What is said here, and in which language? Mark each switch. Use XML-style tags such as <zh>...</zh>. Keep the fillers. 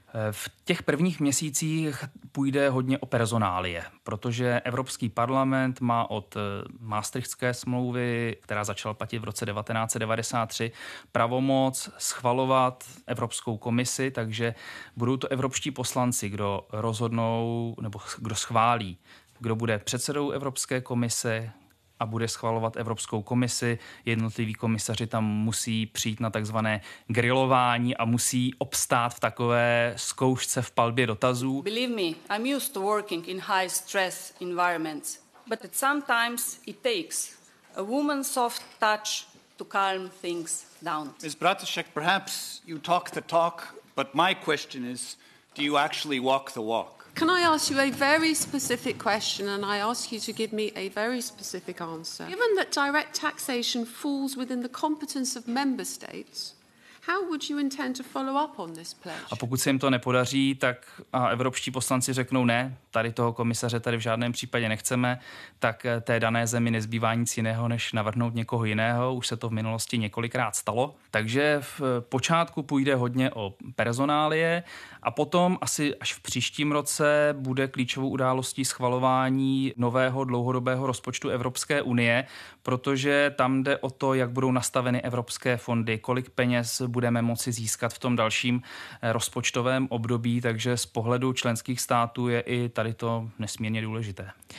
<cs>V těch prvních měsících půjde hodně o personálie, protože Evropský parlament má od Maastrichtské smlouvy, která začala platit v roce 1993, pravomoc schvalovat Evropskou komisi, takže budou to evropští poslanci, kdo rozhodnou nebo kdo schválí, kdo bude předsedou Evropské komise, a bude schvalovat Evropskou komisi. Jednotliví komisaři tam musí přijít na takzvané grilování a musí obstát v takové zkoušce v palbě dotazů.</cs> <en>Believe me, I'm used to working in high stress environments, but sometimes it takes a woman's soft touch to calm things down. Ms. Bratishek, perhaps you talk the talk, but my question is, do you actually walk the walk? Can I ask you a very specific question and I ask you to give me a very specific answer? Given that direct taxation falls within the competence of member states, How would you intend to follow up on this pledge?</en> <cs>A pokud se jim to nepodaří, tak a evropští tady toho komisaře tady v žádném případě nechceme, tak té dané zemi nezbývá nic jiného, než navrhnout někoho jiného. Už se to v minulosti několikrát stalo. Takže v počátku půjde hodně o personálie a potom asi až v příštím roce bude klíčovou událostí schvalování nového dlouhodobého rozpočtu Evropské unie, protože tam jde o to, jak budou nastaveny evropské fondy, kolik peněz budeme moci získat v tom dalším rozpočtovém období, takže z pohledu členských států je i ta tady to nesmírně důležité.</cs>